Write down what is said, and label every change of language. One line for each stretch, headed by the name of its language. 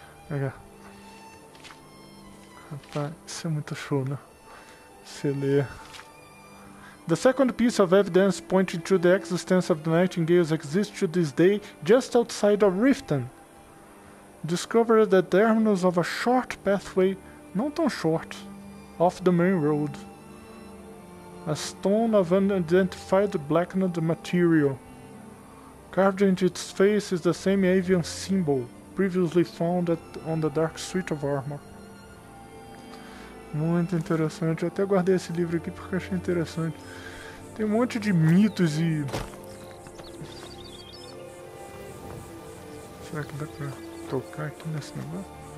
Portuguese: Aqui, rapaz, isso é muito show, né? Se ler.
English: The second piece of evidence pointing to the existence of the Nightingales exists to this day just outside of Riften. Discover the terminus of a short pathway,
Portuguese: não tão
English: short, off the main road. A stone of unidentified blackened material. Carved into its face is the same avian symbol, previously found on the dark suit of armor.
Portuguese: Muito interessante. Eu até guardei esse livro aqui porque achei interessante. Tem um monte de mitos e... Será que dá pra tocar aqui nesse negócio?